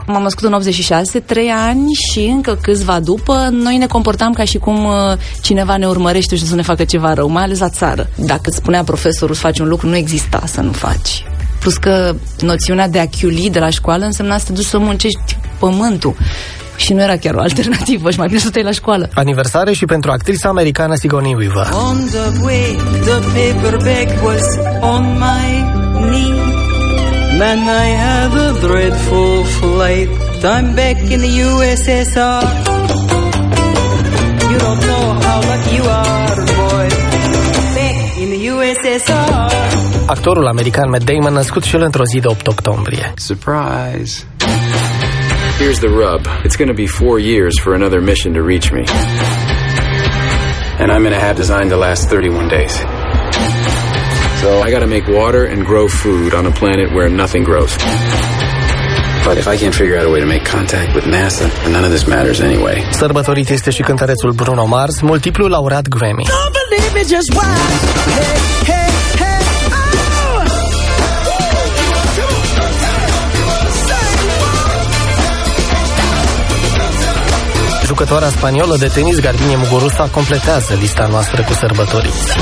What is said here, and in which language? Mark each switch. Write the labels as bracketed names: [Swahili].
[Romanian] M-am născut în 86, 3 ani și încă câțiva după, noi ne comportam ca și cum cineva ne urmărește și să ne facă ceva rău, mai ales la țară. Dacă îți spunea profesorul să faci un lucru, nu exista să nu faci. Plus că noțiunea de a chiuli de la școală însemna să te duci să muncești pământul. Și nu era chiar o alternativă, și mai bine să te-ai la școală. Aniversare și pentru actrisa americană Sigourney Weaver. [English] On the way, the paperback was on my knee. Then I had a dreadful flight. I'm back in the USSR. You don't know how lucky you are, boy. Back in the USSR. [Romanian] Actorul american Matt Damon născut și el într-o zi de 8 octombrie. [English] Surprise! Here's the rub. It's going to be 4 years for another mission to reach me. And I'm going to have designed to last 31 days. So I got to make water and grow food on a planet where nothing grows. But if I can't figure out a way to make contact with NASA, then none of this matters anyway. [Romanian] Sărbătorit este și cântărețul Bruno Mars, multiplu laureat Grammy. [English] Don't believe me, just why? Hey, hey. Oh! [Romanian] jucătoarea spaniolă de tenis Garbine Muguruza completează lista noastră cu sărbătorii.